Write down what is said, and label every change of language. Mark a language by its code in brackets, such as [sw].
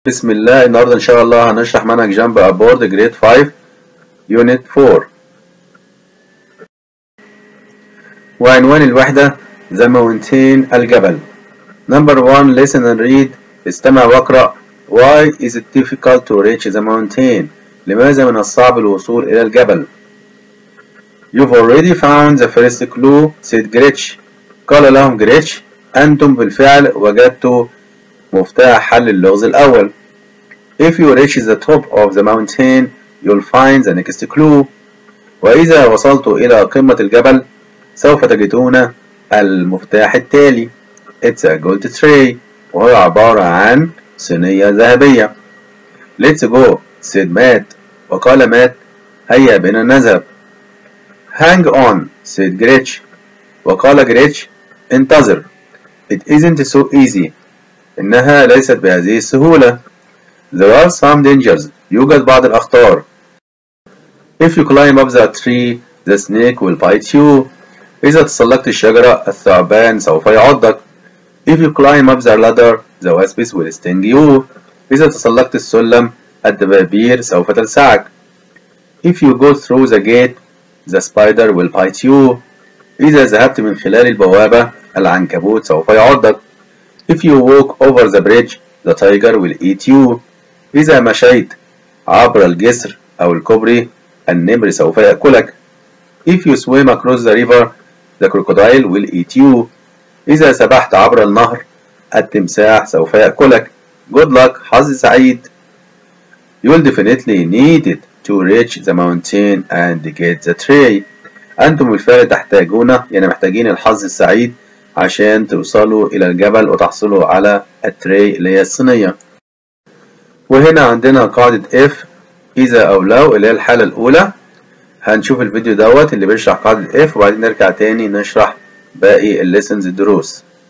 [ar] بسم الله، النهاردة إن شاء الله هنشرح منهج جامب أبورد جريد 5 يونت 4، وعنوان الوحدة [en] The Mountain [ar] الجبل. [en] Number 1 listen and read، [ar] استمع واقرأ. [en] Why is it difficult to reach the mountain؟ [ar] لماذا من الصعب الوصول إلى الجبل؟ [en] You've already found the first clue، said Gretch. [ar] قال لهم Gretch، أنتم بالفعل وجدتوا مفتاح حل اللغز الأول. [en] If you reach the top of the mountain, you'll find the next clue. [ar] وإذا وصلت إلى قمة الجبل، سوف تجدون المفتاح التالي. [en] It's a gold tray. [ar] وهو عبارة عن صينية ذهبية. [en] Let's go, said Matt. [ar] وقال مات، هيا بنا نذهب. [en] Hang on, said Gretch. [ar] وقال Gretch، انتظر. [en] It isn't so easy. [ar] إنها ليست بهذه السهولة. [en] There are some dangers. [ar] يوجد بعض الأخطار. [en] If you climb up that tree, the snake will bite you. [ar] إذا تسلقت الشجرة، الثعبان سوف يعضك. [en] If you climb up the ladder, the wasps will sting you. [ar] إذا تسلقت السلم، الدبابير سوف تلسعك. [en] If you go through the gate, the spider will bite you. [ar] إذا ذهبت من خلال البوابة، العنكبوت سوف يعضك. [en] If you walk over the bridge, the tiger will eat you. [ar] إذا مشيت عبر الجسر أو الكوبري، النمر سوف يأكلك. [en] If you swim across the river, the crocodile will eat you. [ar] إذا سبحت عبر النهر، التمساح سوف يأكلك. [en] Good luck، [ar] حظ سعيد. [en] You'll definitely need it to reach the mountain and get the tree. [ar] أنتم بالفعل تحتاجون، يعني محتاجين الحظ السعيد عشان توصلوا إلى الجبل وتحصلوا على التري اللي هي الصينية. وهنا عندنا قاعدة if، إذا أو لو، اللي هي الحالة الأولى. هنشوف الفيديو دوت اللي بيشرح قاعدة if، وبعدين نرجع تاني نشرح باقي الليسنز الدروس.